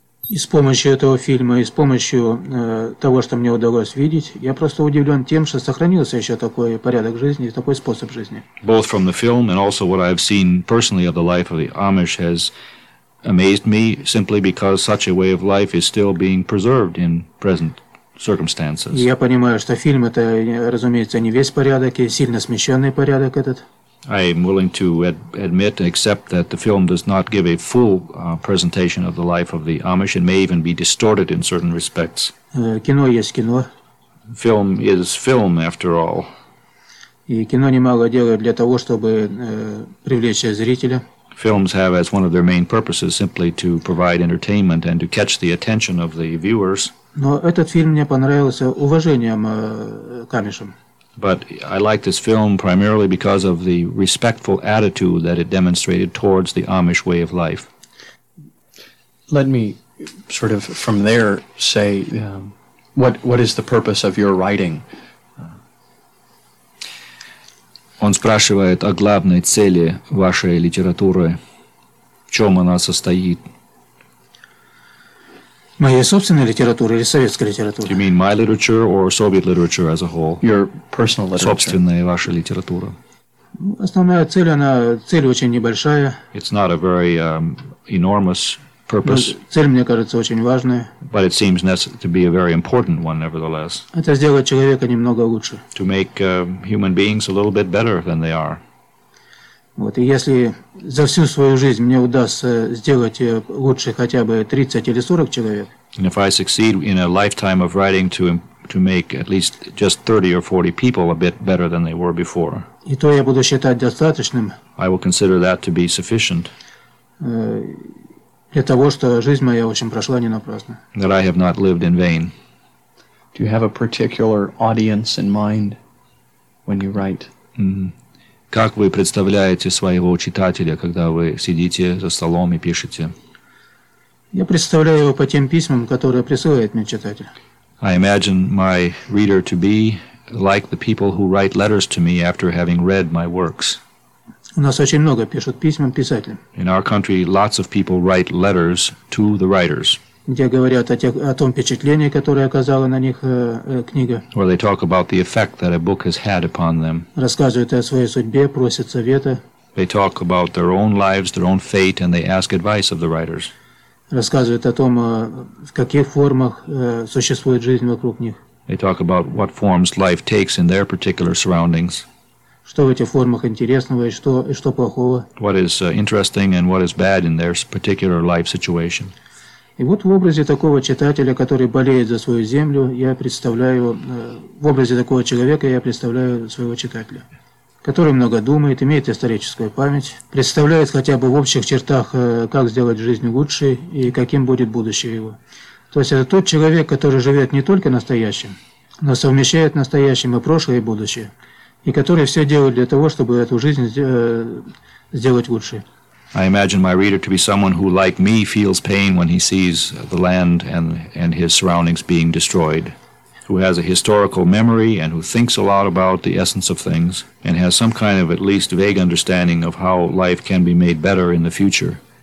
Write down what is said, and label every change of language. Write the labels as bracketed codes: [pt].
[ru] И с помощью этого фильма, и с помощью того, что мне удалось видеть, я просто удивлен тем, что сохранился еще такой порядок жизни, такой способ жизни. [en] Both from the film and also what I've seen personally of the life of the Amish has amazed me simply because such a way of life is still being preserved in present circumstances. [ru] И я понимаю, что фильм это, разумеется, не весь порядок, и сильно смещенный порядок этот. [en] I am willing to admit and accept that the film does not give a full presentation of the life of the Amish. It may even be distorted in certain respects. [ru] Кино есть кино. [en] Film is film, after all. [ru] И кино немало делает для того, чтобы привлечь зрителя. [en] Films have as one of their main purposes simply to provide entertainment and to catch the attention of the viewers. [ru] Но этот фильм мне понравился уважением к Амишам. [en] But I like this film primarily because of the respectful attitude that it demonstrated towards the Amish way of life. Let me sort of from there say, what is the purpose of your writing? [ru] Он спрашивает о главной цели вашей литературы. В чем она состоит? Моей собственной литературы или советской литературы? [en] You mean my literature or Soviet literature as a whole? Your personal literature. [ru] Собственная ваша литература. Основная цель, она цель очень небольшая. [en] It's not a very enormous purpose. [ru] Но цель, мне кажется, очень важная. [en] But it seems to be a very important one, nevertheless. [ru] Это сделать человека немного лучше. [en] To make human beings a little bit better than they are. [ru] Вот, и если за всю свою жизнь мне удастся сделать лучше хотя бы 30 или 40 человек, [en] and if I succeed in a lifetime of writing to make at least just 30 or 40 people a bit better than they were before, [ru] и то я буду считать достаточным, [en] I will consider that to be sufficient, [ru] для того, что жизнь моя, в общем, прошла не напрасно, [en] that I have not lived in vain. Do you have a particular audience in mind when you write? Mm-hmm. [ru] Как вы представляете своего читателя, когда вы сидите за столом и пишете? Я представляю его по тем письмам, которые присылает мне читатель. [en] I imagine my reader to be like the people who write letters to me after having read my works. [ru] У нас очень много пишут письма писателям. [en] In our country, lots of people write letters to the writers. [ru] Где говорят о том впечатлении, которое оказала на них книга. [en] Where they talk about the effect that a book has had upon them. [ru] Рассказывают о своей судьбе, просят совета. [en] They talk about their own lives, their own fate, and they ask advice of the writers. [ru] Рассказывают о том, в каких формах существует жизнь вокруг них. [en] They talk about what forms life takes in their particular surroundings. [ru] Что в этих формах интересного и что плохого. [en] What is interesting and what is bad in their particular life situation. [ru] И вот в образе такого читателя, который болеет за свою землю, я представляю, в образе такого человека я представляю своего читателя, который много думает, имеет историческую память, представляет хотя бы в общих чертах, как сделать жизнь лучше и каким будет будущее его. То есть это тот человек, который живет не только настоящим, но совмещает настоящим и прошлое, и будущее, и который все делает для того, чтобы эту жизнь сделать лучше. [en] I imagine my reader to be someone who, like me, feels pain when he sees the land and his surroundings being destroyed, who has a historical memory and who thinks a lot about the essence of things and has some kind of at least vague understanding of how life can be made better in the future.